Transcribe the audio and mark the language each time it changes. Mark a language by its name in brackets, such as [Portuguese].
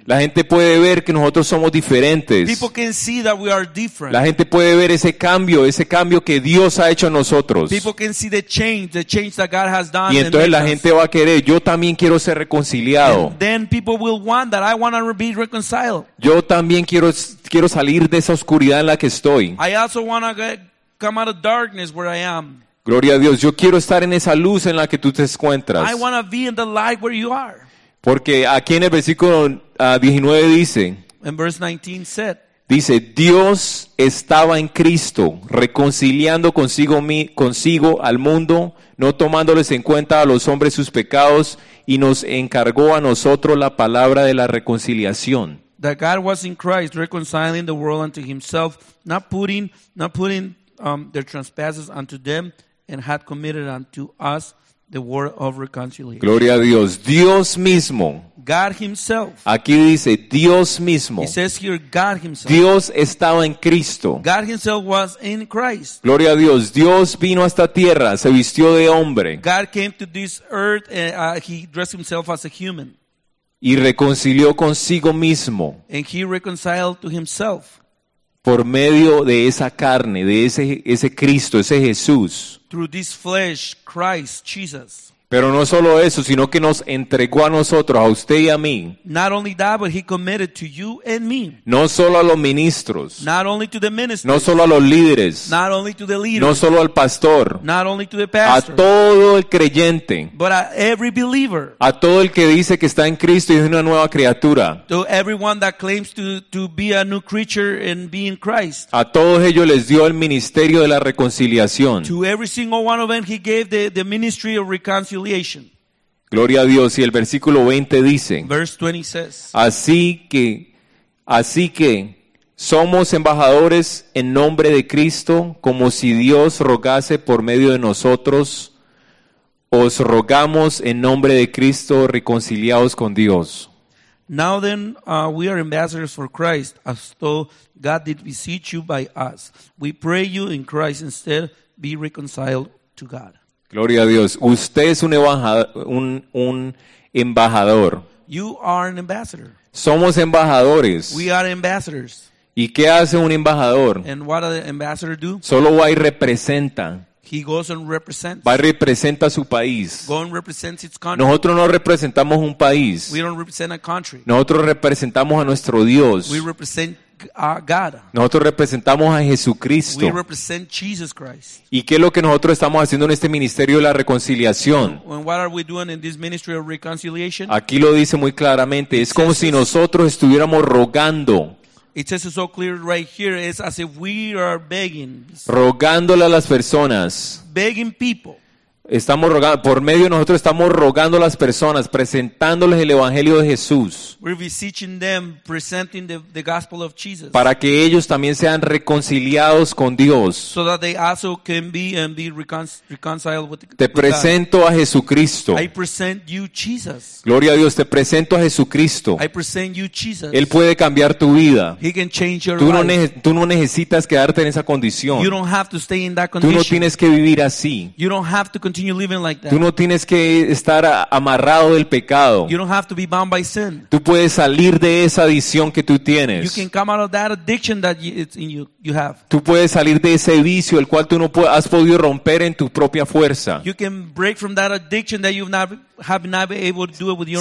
[Spanish] La gente puede ver que nosotros somos diferentes. [English] People can see that we are different. [Spanish] La gente puede ver ese cambio que Dios ha hecho en nosotros. [English] People can see the change that God has done. [Spanish] Y entonces la gente va a querer, yo también quiero ser reconciliado. [English] And then people will want that. I want to be reconciled. [Spanish] Yo también quiero salir de esa oscuridad en la que estoy. [English] I also want to get come out of darkness where I am. [Spanish] Gloria a Dios. Yo quiero estar en esa luz en la que tú te encuentras. [English] I want to be in the light where you are. [Spanish] Porque aquí en el versículo 19 dice. [English] In verse 19 said. [Spanish] Dice, Dios estaba en Cristo reconciliando consigo al mundo, no tomándoles en cuenta a los hombres sus pecados, y nos encargó a nosotros la palabra de la reconciliación. [English] That God was in Christ reconciling the world unto himself, not putting their trespasses unto them, and had committed unto us the word of reconciliation. [Spanish] Gloria a Dios. Dios mismo. [English] God himself. [Spanish] Aquí dice Dios mismo. [English] It says here God himself. [Spanish] Dios estaba en Cristo. [English] God himself was in Christ. [Spanish] Gloria a Dios. Dios vino a esta tierra, se vistió de hombre. [English] God came to this earth and he dressed himself as a human. [Spanish] Y reconcilió consigo mismo. [English] And he reconciled to himself. [Spanish] Por medio de esa carne, de ese Cristo, ese Jesús. [English] Through this flesh, Christ, Jesus. [Spanish] Pero no solo eso, sino que nos entregó a nosotros, a usted y a mí. [English] Not only that, but he committed to you and me. [Spanish] No solo a los ministros. [English] Not only to the ministers. [Spanish] No solo a los líderes. [English] Not only to the leaders. [Spanish] No solo al pastor. [English] Not only to the pastor. [Spanish] A todo el creyente. [English] But a every believer. [Spanish] A todo el que dice que está en Cristo y es una nueva criatura. [English] To everyone that claims to be a new creature and be in Christ. [Spanish] A todos ellos les dio el ministerio de la reconciliación. [English] To every single one of them he gave the ministry of reconciliation. [Spanish] Gloria a Dios. Y el versículo 20 dice, [English] verse 20 says, [Spanish] así que somos embajadores en nombre de Cristo, como si Dios rogase por medio de nosotros, os rogamos en nombre de Cristo, reconciliados con Dios. [English] Now then, we are ambassadors for Christ, as though God did beseech you by us. We pray you in Christ instead, be reconciled to God. [Spanish] Gloria a Dios. Usted es un embajador. [English] You are an ambassador. [Spanish] Somos embajadores. [English] We are ambassadors. [Spanish] ¿Y qué hace un embajador? [English] And what does an ambassador do? [Spanish] Solo va y representa. [English] He goes and represents. [Spanish] Va y representa su país. [English] Go and represents its country. [Spanish] Nosotros no representamos un país. [English] We don't represent a country. [Spanish] Nosotros representamos a nuestro Dios. [English] We represent God. [Spanish] Nosotros representamos a Jesucristo. [English] We represent Jesus Christ. [Spanish] ¿Y qué es lo que nosotros estamos haciendo en este ministerio de la reconciliación? [English] And what are we doing in this ministry of reconciliation? [Spanish] Aquí lo dice muy claramente. Es como si nosotros estuviéramos rogando. [English] It says it so clear right here. It's as if we are begging. [Spanish] Rogándole a las personas. [English] Begging people. [Spanish] Estamos rogando, por medio de nosotros estamos rogando a las personas, presentándoles el Evangelio de Jesús. [English] We're beseeching them, presenting the gospel of Jesus. [Spanish] Para que ellos también sean reconciliados con Dios. [English] So that they also can be and be reconciled with God. [Spanish] Te presento a Jesucristo. [English] I present you Jesus. [Spanish] Gloria a Dios, te presento a Jesucristo. [English] I present you Jesus. [Spanish] Él puede cambiar tu vida. [English] He can change your [Spanish] tú [English] life. [Spanish] Tú no necesitas quedarte en esa condición. [English] You don't have to stay in that condition. [Spanish] Tú no tienes que vivir así. [English] You don't have to continue living like that. [Spanish] Tú no tienes que estar amarrado del pecado. [English] You don't have to be bound by sin. [Spanish] Tú puedes salir de esa adicción que tú tienes. [English] You can come out of that addiction that it's in you have. [Spanish] Tú puedes salir de ese vicio el cual tú no has podido romper en tu propia fuerza. [English] You can break from that addiction that you've not have not been able to do it with your